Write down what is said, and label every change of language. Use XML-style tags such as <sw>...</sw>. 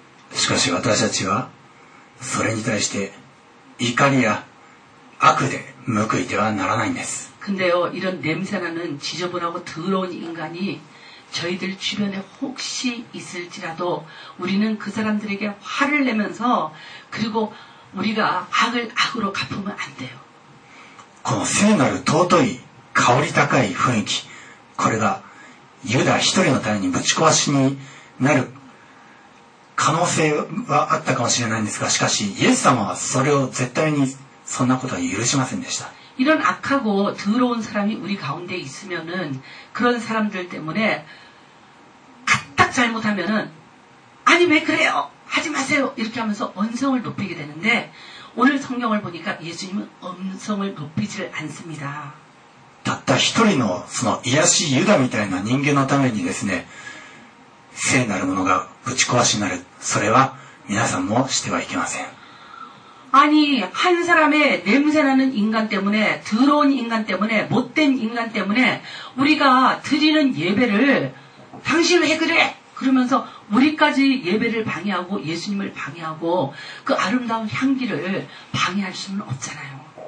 <ko>하지만 우리는 그에 대해 이간이야 악에 묶이지는 않습니다. 근데요, 이런 냄새나는 지저분하고 더러운 인간이 저희들 주변에 혹시 있을지라도 우리는 그 사람들에게 화를 내면서 그리고 우리가 악을 악으로 갚으면 안 돼요.</ko> <ja>この聖なる尊い香り高い雰囲気 これが 유다 1人のために ぶち壊しになる 可能性はあったかもしれないんですが しかし イエス様はそれを絶対に そんなことは許しませんでした。</ja> <ko>이런 악하고 더러운 사람이 우리 가운데 있으면은 그런 사람들 때문에 딱 잘못하면은 아니 왜 그래요? 하지 마세요. 이렇게 하면서 언성을 높이게 되는데 오늘 성경을 보니까 예수님은 언성을 높이지를 않습니다.</ko> <ja>たった一人のその癒しユダみたいな人間のためにですね聖なるものがぶち壊しになるそれは皆さんもしてはいけません。</ja> <ko>아니 한 사람의 냄새나는 인간 때문에 더러운 인간 때문에 못된 인간 때문에 우리가 드리는 예배를 당신 왜 그래? 그러면서 우리까지 예배를 방해하고 예수님을 방해하고 그 아름다운 향기를 방해할 수는 없잖아요.</ko>